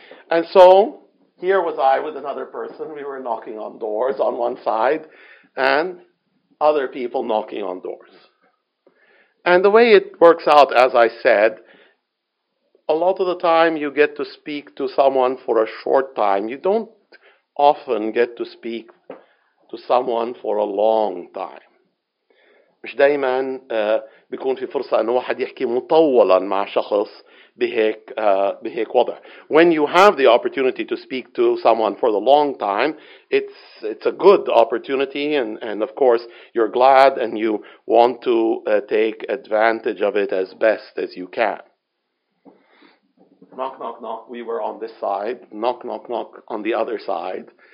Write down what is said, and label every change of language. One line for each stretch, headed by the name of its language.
English: And so here was I with another person. We were knocking on doors on one side and other people knocking on doors. And the way it works out, as I said, a lot of the time you get to speak to someone for a short time. You don't often get to speak to someone for a long time.
Arabic: مش دايما بيكون في فرصة أن واحد يحكي مطولا مع شخص بهيك وضع.
English: When you have the opportunity to speak to someone for the long time, it's a good opportunity, and of course you're glad and you want to take advantage of it as best as you can. Knock, knock, knock, we were on this side. Knock, knock, knock, on the other side.